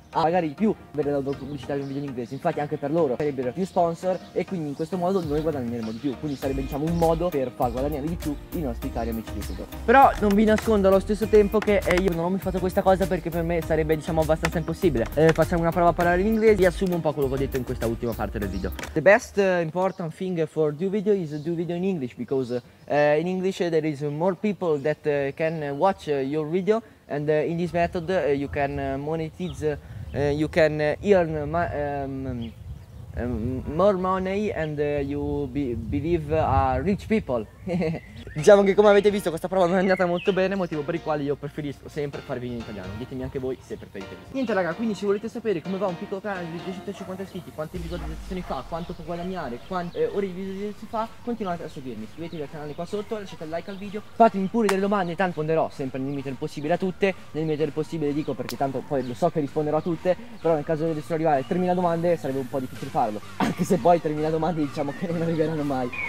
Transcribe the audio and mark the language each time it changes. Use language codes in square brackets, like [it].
[it] a pagare di più per la loro pubblicità di un video in inglese. Infatti anche per loro sarebbero più sponsor e quindi in questo modo noi guadagneremo di più. Quindi sarebbe, diciamo, un modo per far guadagnare di più i nostri cari amici di YouTube. Però non vi nascondo allo stesso tempo che io non ho mai fatto questa cosa, perché per me sarebbe, diciamo, abbastanza impossibile. Facciamo una prova a parlare in inglese e assumo un po' quello che ho detto in questa ultima parte del video. [en] The best important thing for do video is do video in English, because in English there is more people that can watch your video, and in this method you can monetize, you can earn more money, and you believe are rich people. [it] Diciamo che, come avete visto, questa prova non è andata molto bene, motivo per il quale io preferisco sempre fare video in italiano. Ditemi anche voi se preferite. Niente raga, quindi se volete sapere come va un piccolo canale di 250 iscritti, quante visualizzazioni fa, quanto può guadagnare, quante ore di visualizzazioni fa, continuate a seguirmi, iscrivetevi al canale qua sotto, lasciate il like al video, fatemi pure delle domande, tanto risponderò sempre nel limite del possibile a tutte, nel limite del possibile dico, perché tanto poi lo so che risponderò a tutte, però nel caso dovessero arrivare 3000 domande sarebbe un po' difficile farlo, anche se poi 3000 domande diciamo che non arriveranno mai.